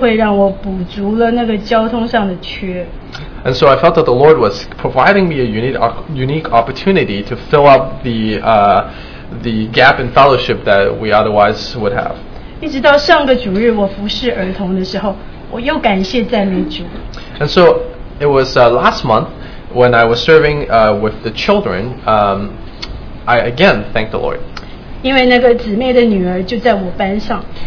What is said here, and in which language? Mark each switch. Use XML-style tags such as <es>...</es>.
<zh>而且我就觉得主借着这个机会让我补足了那个交通上的缺。</zh> <en>And so I felt that the Lord was providing me a unique opportunity to fill up the gap in fellowship that we otherwise would have.</en> <zh>一直到上个主日我服侍儿童的时候， 我又感谢赞美主。</zh> <en>And so it was last month when I was serving with the children, I again thanked the Lord.</en> <zh>因为那个姊妹的女儿就在我班上。</zh>